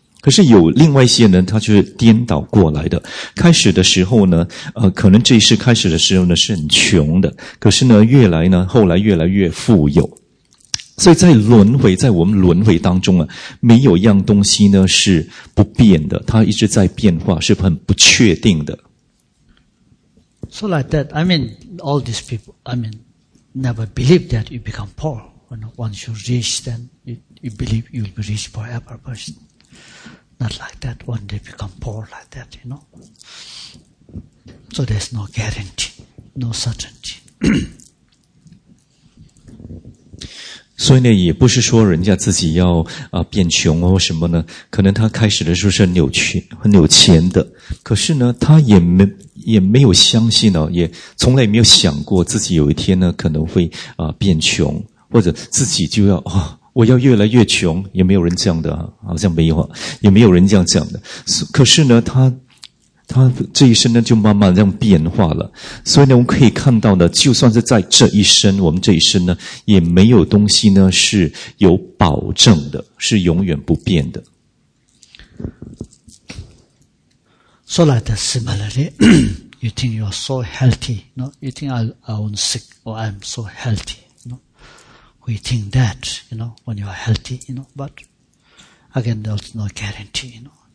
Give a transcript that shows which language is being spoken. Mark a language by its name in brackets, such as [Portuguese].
[Chinese] 可是有另外一些人，他就是颠倒过来的。开始的时候呢，可能这一世开始的时候呢是很穷的，可是呢，越来呢，后来越来越富有。所以在轮回，在我们轮回当中啊，没有一样东西呢是不变的，它一直在变化，是很不确定的。 [English] So like that, I mean, all these people, I mean, never believe that you become poor. When once you're rich, then you believe you'll be rich forever, but not like that. One day become poor like that, you know. So there's no guarantee, no certainty. [Chinese] 所以呢，也不是说人家自己要变穷或什么呢？可能他开始的时候是很有钱的，可是呢，他也没有相信呢，也从来没有想过自己有一天呢可能会变穷，或者自己就要啊。我要越来越穷，也没有人这样的，好像没有，也没有人这样讲的。可是呢，他这一生呢，就慢慢这样变化了。所以呢，我们可以看到呢，就算是在这一生，我们这一生呢，也没有东西呢是有保证的，是永远不变的。 [English] So like that, similarly, you think you are so healthy, no? You think I won't sick, or I'm so healthy. We think that, you know, when you are healthy, you know, but again, there's no guarantee, you know.